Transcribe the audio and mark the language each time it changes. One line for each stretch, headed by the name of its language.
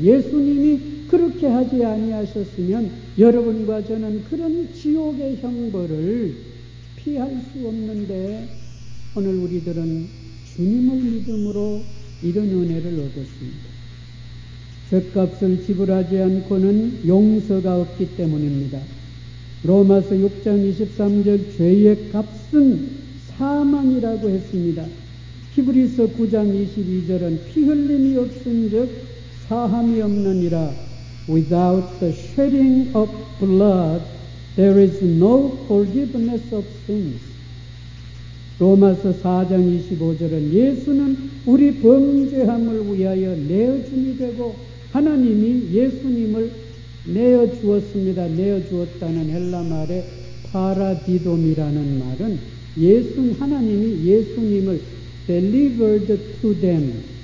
Korean: 예수님이 그렇게 하지 아니하셨으면 여러분과 저는 그런 지옥의 형벌을 피할 수 없는데 오늘 우리들은 주님을 믿음으로 이런 은혜를 얻었습니다. 죄값을 지불하지 않고는 용서가 없기 때문입니다. 로마서 6장 23절 죄의 값은 사망이라고 했습니다. 히브리서 9장 22절은 피 흘림이 없은 즉 사함이 없느니라
English: Without the shedding of blood, there is no forgiveness of sins.
Korean: 로마서 4장 25절은 예수는 우리 범죄함을 위하여 내어줌이 되고 하나님이 예수님을 내어주었습니다. 내어주었다는 헬라 말의 파라디돔이라는 말은 하나님이 예수님을
English: delivered to them.